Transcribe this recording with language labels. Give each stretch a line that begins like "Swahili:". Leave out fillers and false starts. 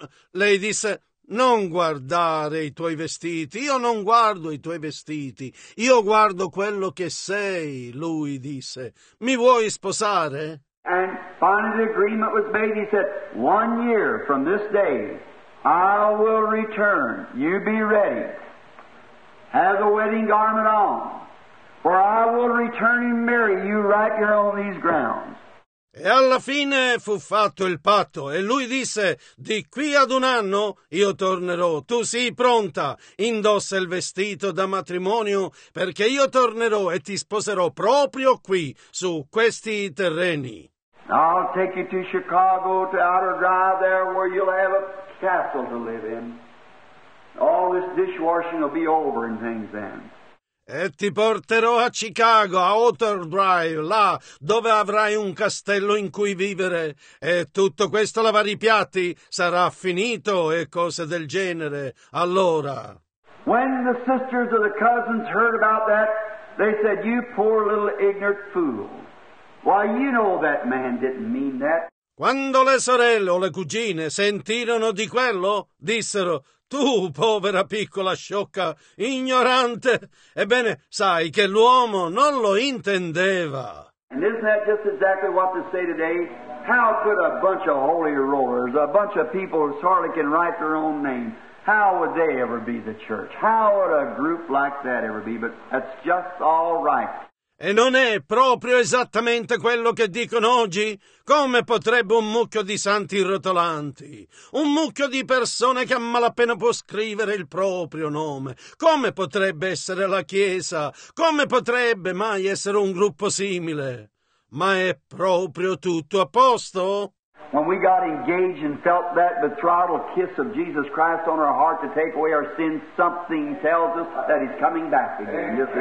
Italian: Lei disse, non guardare i tuoi vestiti, io non guardo i tuoi vestiti, io guardo quello che sei. Lui disse: mi vuoi sposare?
English: And finally the agreement was made. He said, 1 year from this day I will return, you be ready, have a wedding garment on, for I will return and marry you right here on these grounds.
Italian: E alla fine fu fatto il patto, e lui disse: di qui ad un anno io tornerò, tu sii pronta, indossa il vestito da matrimonio, perché io tornerò e ti sposerò proprio qui, su questi terreni.
English: I'll take you to Chicago, to Outer Drive there, where you'll have a castle to live in. All this dishwashing will be over and things then.
Italian: E ti porterò a Chicago, a Outer Drive, là dove avrai un castello in cui vivere, e tutto questo lavare i piatti sarà finito e cose del genere. Allora,
English: when the sisters or the cousins heard about that, they said, you poor little ignorant fool, why, you know that man didn't mean that.
Italian: Quando le sorelle o le cugine sentirono di quello, dissero: «Tu, povera piccola sciocca, ignorante, ebbene, sai che l'uomo non lo intendeva».
English: And isn't that just exactly what they say today? How could a bunch of holy rollers, a bunch of people who hardly can write their own name, how would they ever be the church? How would a group like that ever be? But that's just all right.
Italian: E non è proprio esattamente quello che dicono oggi? Come potrebbe un mucchio di santi rotolanti, un mucchio di persone che a malapena può scrivere il proprio nome, come potrebbe essere la Chiesa? Come potrebbe mai essere un gruppo simile? Ma è proprio tutto a posto?
English: When we got engaged and felt that betrothal kiss of Jesus Christ on our heart to take away our sins, something tells us that He's coming back again.